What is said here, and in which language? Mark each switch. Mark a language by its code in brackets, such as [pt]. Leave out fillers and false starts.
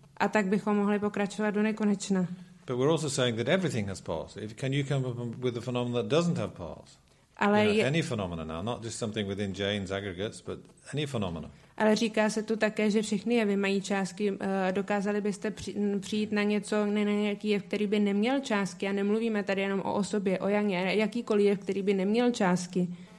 [cs] A tak bychom mohli pokračovat do nekonečna. [en] But we're also saying that everything has parts. If can you come up with a phenomenon that doesn't have parts? [cs] Ale [en] you know, any phenomena now, not just something within Jain's aggregates, but any phenomena. [cs] Ale říká se tu také, že všechny jevy mají částky. Dokázali byste přijít na něco, na nějaký jev, který by neměl částky? A nemluvíme tady jenom o osobě, o Janě. Jakýkoliv jev, který by neměl částky?